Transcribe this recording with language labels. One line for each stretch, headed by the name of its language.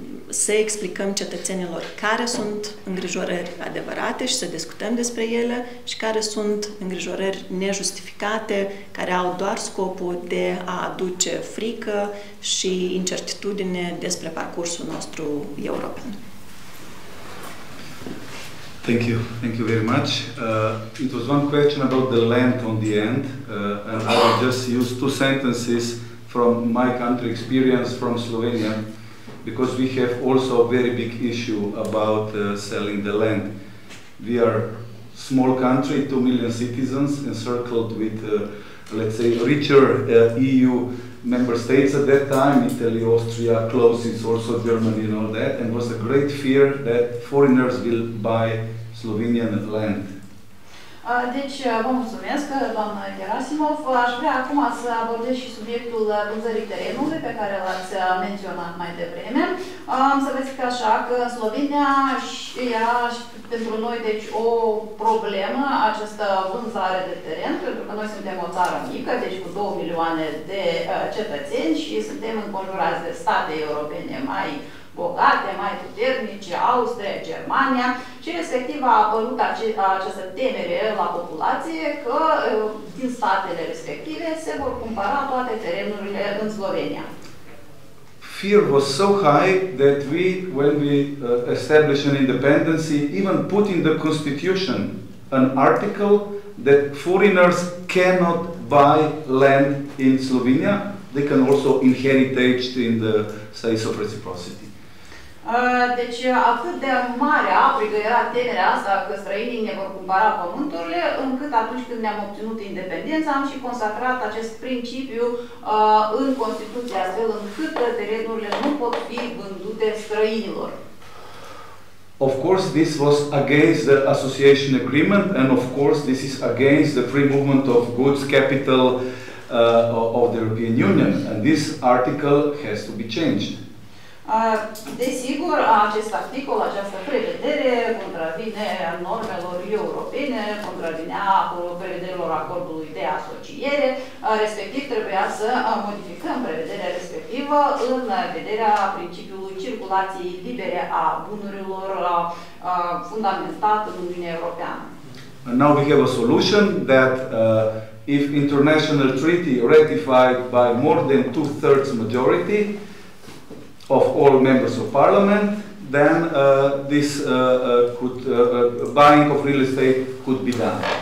Romanian: să explicăm cetățenilor care sunt îngrijorări adevărate și să discutăm despre ele și care sunt îngrijorări nejustificate, care au doar scopul de a aduce frică și incertitudine despre parcursul nostru european.
English: Thank you. Thank you very much. It was one question about the land on the end, and I will just use 2 sentences from my country experience from Slovenia, because we have also a very big issue about selling the land. We are small country, 2 million citizens, encircled with, let's say, richer EU member states at that time, Italy, Austria, closes also Germany and all that, and was a great fear that foreigners will buy Slovenian land.
Romanian: Deci, vă mulțumesc, doamna Gerasimov. Aș vrea acum să abordez și subiectul vânzării terenului pe care l-ați menționat mai devreme. Să vă zic așa, că Slovenia ea pentru noi deci o problemă, această vânzare de teren, pentru că noi suntem o țară mică, deci cu 2 milioane de cetățeni și suntem înconjurați de state europene mai bogate, mai puternice, Austria, Germania, și respectiv a apărut această temere la populație că din statele respective se vor cumpăra toate terenurile în Slovenia.
English: Fear was so high that we, when we established an independency, even put in the constitution an article that foreigners cannot buy land in Slovenia, they can also inherit it in the sense of reciprocity.
Romanian: Deci atât de mare a era temerea asta că străinii ne vor cumpăra pământurile, încât atunci când ne-am obținut independența am și consacrat acest principiu în Constituție, astfel încât terenurile nu pot fi vândute străinilor.
English: Of course this was against the association agreement and of course this is against the free movement of goods, capital of the European Union, and this article has to be changed.
Romanian: Desigur, acest articol, această prevedere contravine normelor europene, contravine prevederilor acordului de asociere, respectiv trebuia să modificăm prevederea respectivă în vederea principiului circulației libere a bunurilor fundamentat în Uniunea Europeană.
English: And now we have a solution that if international treaty ratified by more than 2/3 majority of all members of parliament, then this could buying of real estate could be done.